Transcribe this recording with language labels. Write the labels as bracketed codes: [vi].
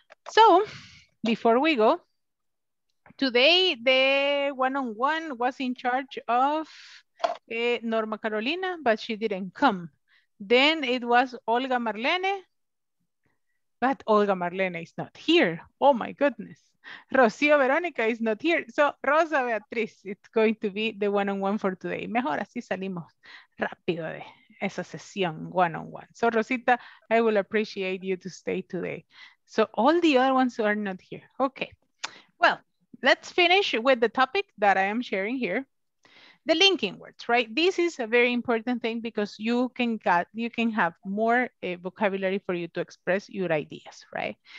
[en] So, before we go, today the one-on-one was in charge of Norma Carolina, but she didn't come. Then it was Olga Marlene, but Olga Marlene is not here. Oh my goodness. Rocío Verónica is not here. So, Rosa Beatriz, it's going to be the one-on-one for today. [es] Mejor así salimos rápido de esa sesión one-on-one. [en] So, Rosita, I will appreciate you to stay today. So, all the other ones are not here. Okay. Well, let's finish with the topic that I am sharing here. The linking words, right? This is a very important thing because you can have more vocabulary for you to express your ideas, right?